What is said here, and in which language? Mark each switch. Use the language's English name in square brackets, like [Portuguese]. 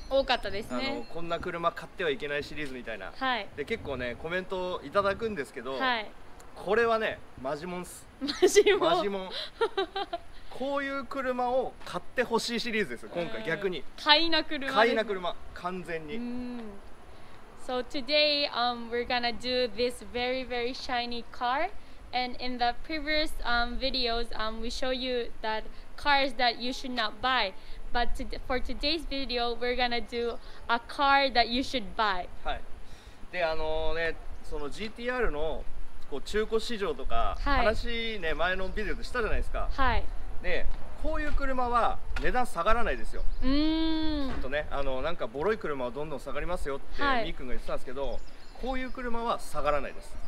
[Japanese] 多かったですね。あのこんな車買ってはいけないシリーズみたいな、はい、で結構ねコメントをいただくんですけど、はい、これはねマジモンっす。マジモン、マジモン。こういう車を買ってほしいシリーズです。今回逆に買いな車です、ね、買いな車完全に。うん。 [English] So today、we're gonna do this very very shiny car. And in the previous videos、we show you thatcars that you should not buy, but for today's video, we're gonna do a car that you should buy. [Japanese] はい。で、あのね、その GTR のこう中古市場とか、はい、話ね、前のビデオでしたじゃないですか。はい。で、こういう車は値段下がらないですよ。ちょっとね、あのなんかボロい車はどんどん下がりますよってミー君が言ってたんですけど、こういう車は下がらないです。